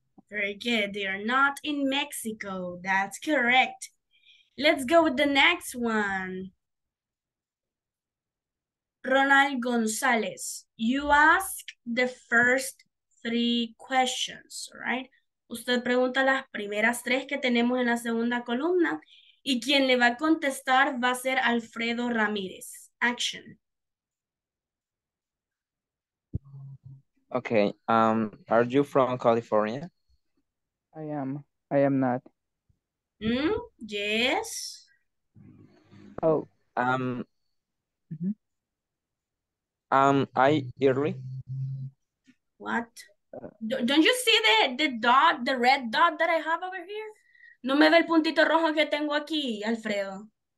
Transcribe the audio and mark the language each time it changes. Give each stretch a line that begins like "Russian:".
English: Very good. They are not in Mexico. That's correct. Let's go with the next one. Ronald Gonzalez, you ask the first three questions, right?
Spanish: Usted pregunta las primeras tres que tenemos en la segunda columna y quien le va a contestar va a ser Alfredo Ramírez.
English: Action. Okay, are you from California? I am not. Yes. Oh. I early. What? Don't you see the dot, the red dot that I have over here?
Spanish: No me ve el puntito rojo que tengo aquí, Alfredo.